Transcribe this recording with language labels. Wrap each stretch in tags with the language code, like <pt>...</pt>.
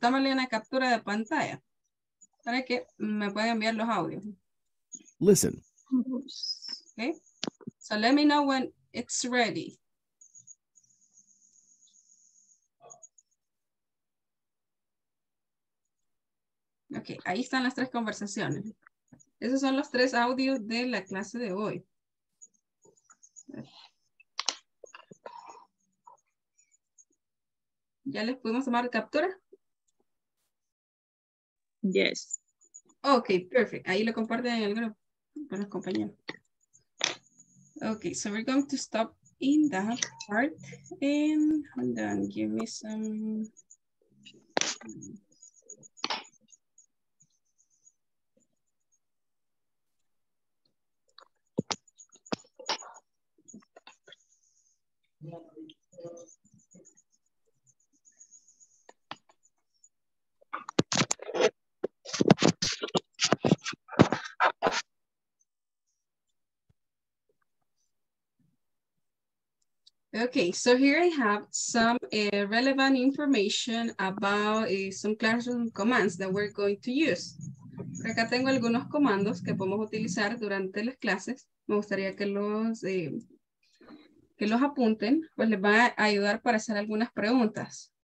<es>Tómale una captura de pantalla para que me puedan enviar los audios.</es> <en>Listen. Okay, so let me know when it's ready.</en> <es>Ok, ahí están las tres conversaciones. Esos son los tres audios de la clase de hoy. ¿Ya les pudimos tomar captura?</es> <en>Yes. Ok, perfect.</en> <es>Ahí lo comparten en el grupo con los compañeros.</es> <en>Ok, so we're going to stop in that part. And hold on, give me some... Okay, so here I have some relevant information about some classroom commands that we're going to use.</en> <es>Acá tengo algunos comandos que podemos utilizar durante las clases. Me gustaría que los apunten, pues les va a ayudar para hacer algunas preguntas.</es>